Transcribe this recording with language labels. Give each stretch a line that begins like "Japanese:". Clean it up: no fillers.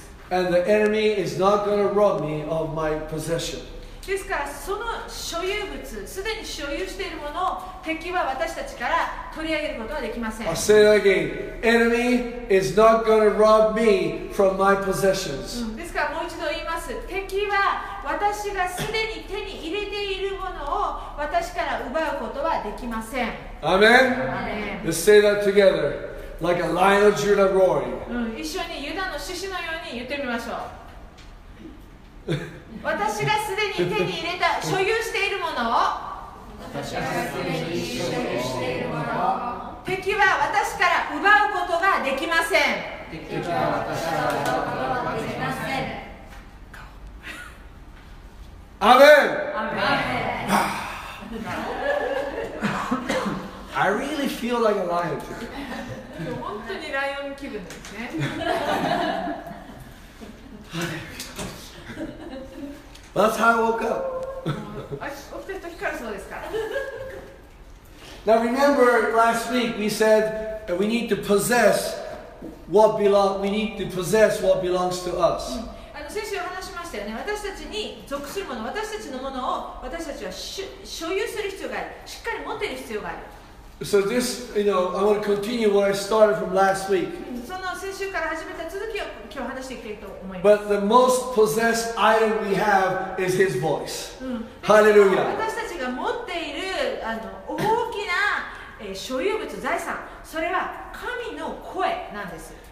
English: And the enemy is not going to rob me of my possession.
Japanese: ですからその所有物、すでに所有しているものを敵は私たちから取り上げることはできません。
English: I'll say it again. Enemy is not going to rob me from my possessions.、
Japanese: うん、ですからもう一度言います。敵は私がすでに手に入れているものを私から奪うことはできません。
English: Amen? Let's say that together. Like a lion of Judah roaring.、
Japanese: うん、一緒にユダの獅子のように言ってみましょう。私がすでに手に入れた所有しているものを、私がすでに所有しているものを、敵は私から奪うことができません。敵は私から奪うことができません。アメン。アメン。
English: I really feel like a lion.
Japanese: 本当にライオン気分ですね。
English: That's how I woke up.
Japanese: 起きてる時からそうですか。
English: Now remember last week we said that we need to possess what belongs, we need to possess what belongs to us.
Japanese: 先週話しましたよね。私たちに属するもの、私たちのものを私たちは所有する必要がある。しっかり持ってる必要がある。
English: So this, you know, I want to continue what I started from last week.
Japanese: その先週から始めた続きを今日話していきたいと思います。
English: But the most possessed item we have is His voice. Hallelujah.
Japanese: 私たちが持っている大きな所有物、財産、それは神の声なんです。